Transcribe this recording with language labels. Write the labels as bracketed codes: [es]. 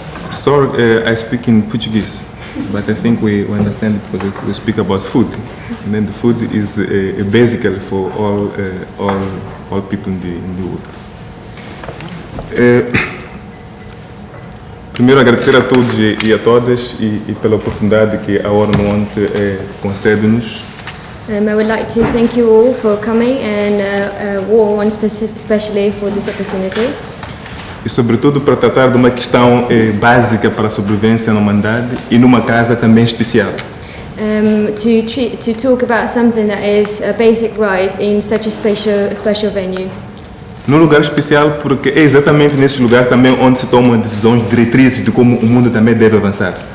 [en] Sorry, I speak in Portuguese, but I think we understand because we speak about food. And then the food is a basic for all people in the world. [pt] Primeiro, agradecer a todos e a todas e pela oportunidade que a ONU ontem concede-nos. [en] I would like to thank you all for coming and WOAN especially for this opportunity. [pt] E sobretudo para tratar de uma questão básica para a sobrevivência na humanidade e numa casa também especial. [en] To talk about something that is a basic right in such a special venue. [pt] Num lugar especial porque é exatamente nesse lugar também onde se tomam decisões diretrizes de como o mundo também deve avançar.